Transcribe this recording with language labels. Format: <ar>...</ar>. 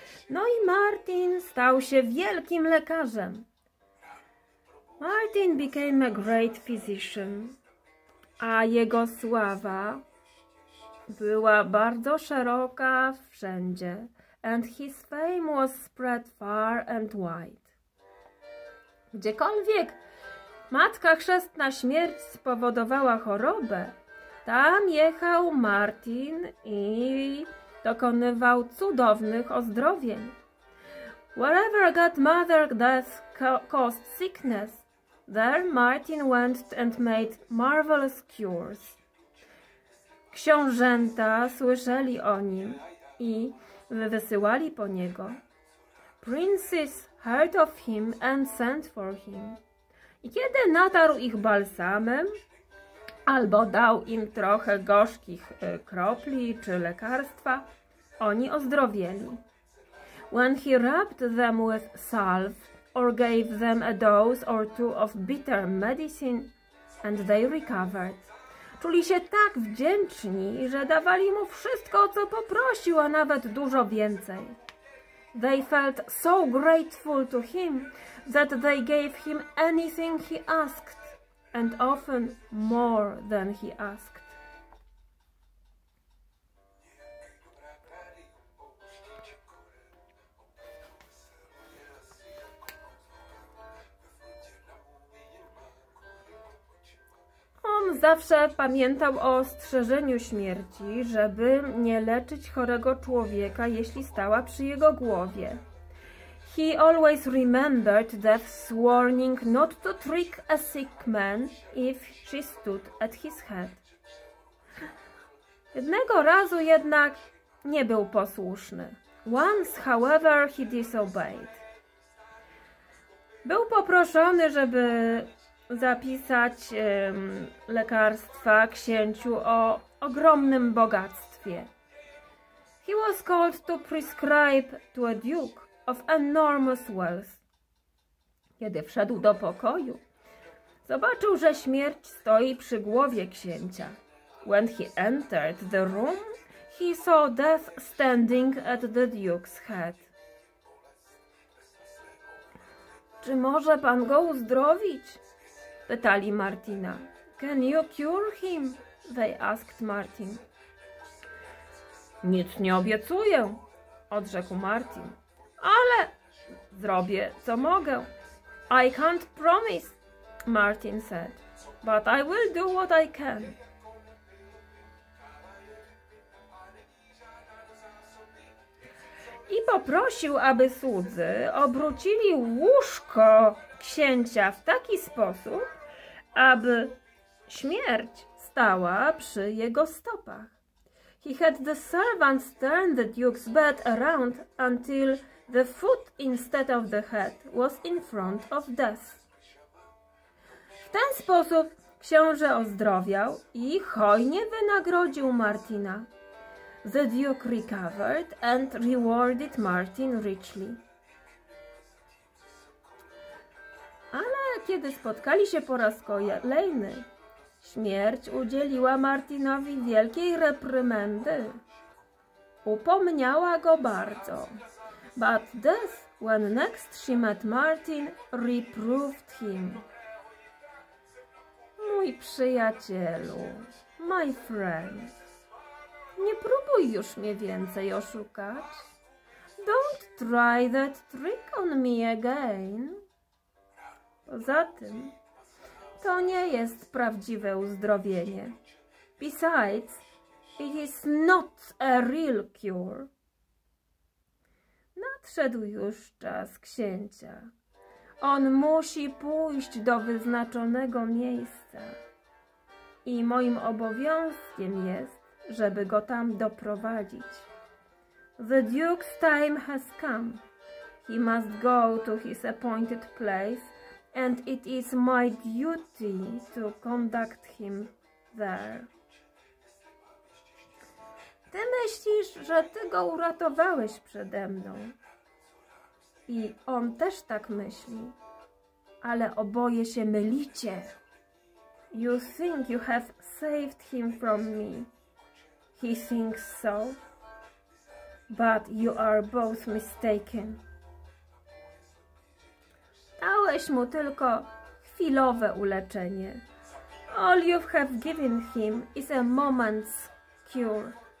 <pl>No i Martin stał się wielkim lekarzem.</pl> <en>Martin became a great physician.</en> <pl>A jego sława była bardzo szeroka wszędzie.</pl> <en>And his fame was spread far and wide.</en> <pl>Gdziekolwiek Matka Chrzestna Śmierć spowodowała chorobę, Tam jechał Martin i dokonywał cudownych ozdrowień.</pl> <en>Wherever Godmother Death caused sickness, there Martin went and made marvelous cures.</en> <pl>Książęta słyszeli o nim i wysyłali po niego.</pl> <en>Princes heard of him and sent for him.</en> <pl>I kiedy natarł ich balsamem, albo dał im trochę gorzkich kropli czy lekarstwa, oni ozdrowieli.</pl> <en>When he rubbed them with salve or gave them a dose or two of bitter medicine, and they recovered.</en> <pl>Czuli się tak wdzięczni, że dawali mu wszystko, co poprosił, a nawet dużo więcej.</pl> <en>They felt so grateful to him that they gave him anything he asked, and often more than he asked.</en> <pl>On zawsze pamiętał o ostrzeżeniu śmierci, żeby nie leczyć chorego człowieka, jeśli stała przy jego głowie.</pl> <en>He always remembered death's warning not to trick a sick man if she stood at his head.</en> <pl>Jednego razu jednak nie był posłuszny.</pl> <en>Once, however, he disobeyed.</en> <pl>Był poproszony, żeby zapisać lekarstwa księciu o ogromnym bogactwie.</pl> <en>He was called to prescribe to a duke of enormous wealth.</en> <pl>Kiedy wszedł do pokoju, zobaczył, że śmierć stoi przy głowie księcia.</pl> <en>When he entered the room, he saw death standing at the duke's head.</en> <pl>Czy może pan go uzdrowić? Pytali Martina.</pl> <en>Can you cure him? They asked Martin.</en> <pl>Nic nie obiecuję, odrzekł Martin. Ale zrobię, co mogę.</pl> <en>I can't promise, Martin said. But I will do what I can.</en> <pl>I poprosił, aby słudzy obrócili łóżko księcia w taki sposób, aby śmierć stała przy jego stopach.</pl> <en>He had the servants turn the duke's bed around until the foot instead of the head was in front of death.</en> <pl>W ten sposób książę ozdrowiał i hojnie wynagrodził Martina.</pl> <en>The duke recovered and rewarded Martin richly.</en> <pl>Ale kiedy spotkali się po raz kolejny, śmierć udzieliła Martinowi wielkiej reprymendy. Upomniała go bardzo.</pl> <en>But death, when next she met Martin, reproved him.</en> <pl>Mój przyjacielu,</pl> <en>my friend,</en> <pl>nie próbuj już mnie więcej oszukać.</pl> <en>Don't try that trick on me again.</en> <pl>Poza tym, to nie jest prawdziwe uzdrowienie.</pl> <en>Besides, it is not a real cure.</en> <pl>Nadszedł już czas księcia. On musi pójść do wyznaczonego miejsca. I moim obowiązkiem jest, żeby go tam doprowadzić.</pl> <en>The Duke's time has come. He must go to his appointed place. And it is my duty to conduct him there.</en> <pl>Ty myślisz, że ty go uratowałeś przede mną. I on też tak myśli. Ale oboje się mylicie.</pl> <en>You think you have saved him from me. He thinks so. But you are both mistaken.</en> <pl>Dałeś mu tylko chwilowe uleczenie.</pl> <en>All you have given him is a moment's cure.</en>